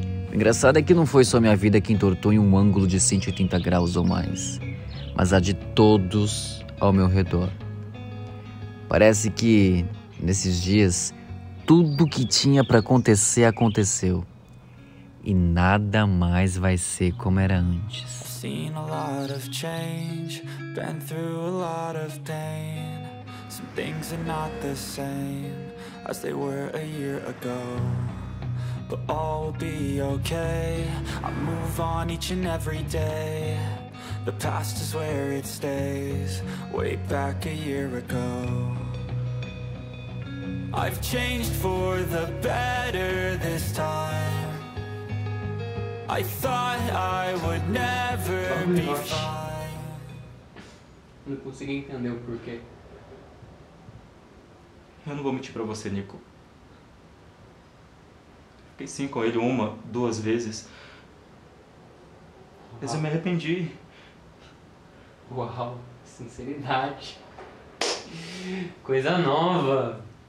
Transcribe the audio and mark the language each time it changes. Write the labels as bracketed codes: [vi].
[pt] O engraçado é que não foi só minha vida que entortou em um ângulo de 180 graus ou mais, mas a de todos ao meu redor. Parece que nesses dias tudo que tinha para acontecer aconteceu. E nada mais vai ser como era antes. [en] Seen a lot of change, been through a lot of pain. Some things are not the same as they were a year ago. But all will be okay, I move on each and every day. The past is where it stays, way back a year ago. I've changed for the better this time. I thought I would never be fine. [pt] Não consegui entender o porquê. Eu não vou mentir pra você, Nico. Fiquei sim com ele uma, duas vezes. Mas eu me arrependi. Uau, sinceridade. Coisa nova.